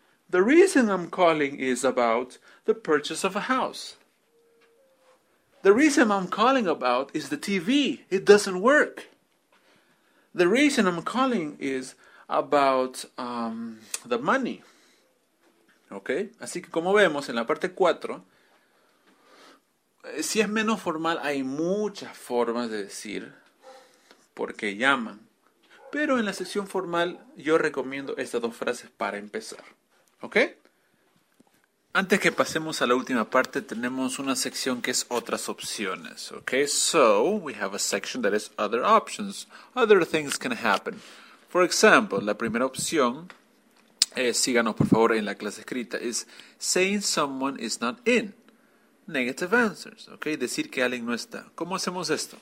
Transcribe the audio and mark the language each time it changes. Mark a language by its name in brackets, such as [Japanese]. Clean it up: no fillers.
[English] The reason I'm calling is about the purchase of a house. The reason I'm calling about is the TV. It doesn't work. The reason I'm calling is about the money. Okay? [Spanish] Así que como vemos en la parte 4, si es menos formal, hay muchas formas de decir por qué llaman. Pero en la sección formal, yo recomiendo estas dos frases para empezar. Okay? Antes que pasemos a la última parte, tenemos una sección que es otras opciones, okay? [English] So, we have a section that is other options. Other things can happen. For example, [Spanish] la primera opción, síganos por favor en la clase escrita, [English] is saying someone is not in. Negative answers, okay? [Spanish] Decir que alguien no está. ¿Cómo hacemos esto?